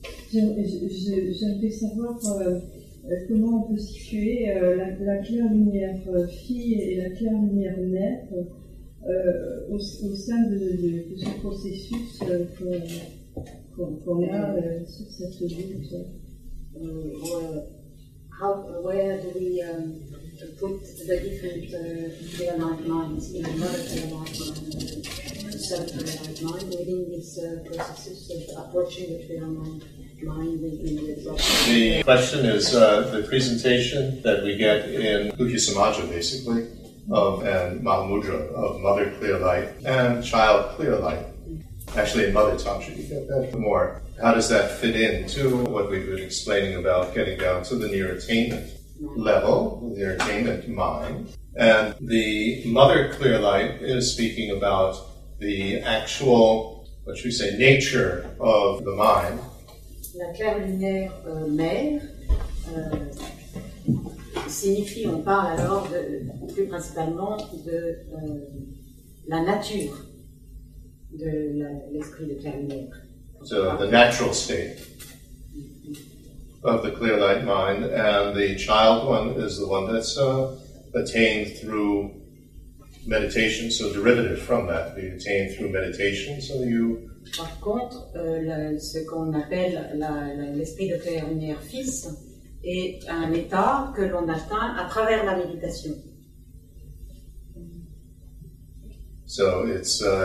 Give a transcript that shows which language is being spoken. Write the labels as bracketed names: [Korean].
[French] J'aimerais savoir. Comment on peut situer la claire lumière fille et la claire lumière mère au sein de ce processus qu'on a sur cette route? [English] Where do we put the different clear light minds in another clear light mind, separate clear light mind within this process of approaching the clear mind? The question is the presentation that we get in Kuhi Samaja, basically, and Mahamudra, of mother clear light and child clear light. Actually, in mother tantra, you get that more. How does that fit into what we've been explaining about getting down to the near attainment level, the near attainment mind? And the mother clear light is speaking about the actual, what should we say, nature of the mind. [French] La claire lumière mère signifie, on parle alors plus principalement de la nature de l'esprit de claire lumière. [English] So the natural state of the clear light mind, and the child one is the one that's attained through meditation, so derivative from that, you attain through meditation, so you... [French] Par contre, ce qu'on appelle l'esprit de clair lumière fils est un état que l'on atteint à travers la méditation. [English] So it's...